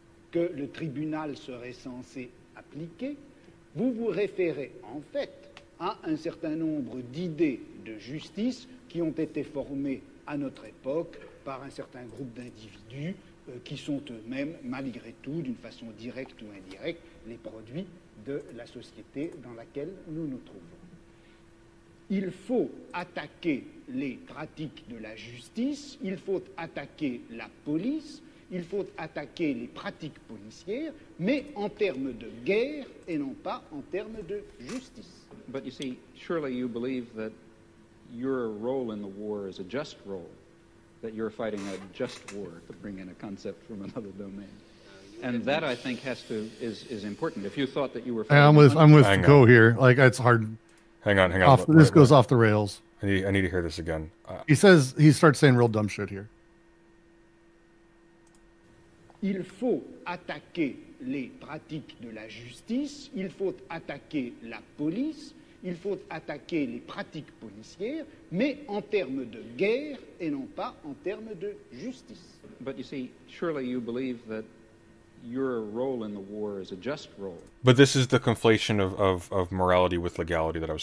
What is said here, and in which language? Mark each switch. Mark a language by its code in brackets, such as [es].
[fr] que le tribunal serait censé appliquer, vous vous référez en fait à un certain nombre d'idées de justice qui ont été formées à notre époque par un certain groupe d'individus qui sont eux-mêmes, malgré tout, d'une façon directe ou indirecte, les produits de la société dans laquelle nous nous trouvons. Il faut attaquer les pratiques de la justice, il faut attaquer la police, il faut attaquer les pratiques policières, mais en termes de guerre et non pas en termes de justice. [en] But you see, surely you believe that your role in the war is a just role, that you're fighting a just war, to bring in a concept from another domain. And that, I think, is important. If you thought that you were fighting... I'm with Foucault here. It's hard. Hang on. This goes off the rails. I need to hear this again. He starts saying real dumb shit here. [fr] Il faut attaquer les pratiques de la justice, il faut attaquer la police, il faut attaquer les pratiques policières, mais en termes de guerre et non pas en termes de justice. [en] But you see, surely you believe that your role in the war is a just role. But this is the conflation of morality with legality that I was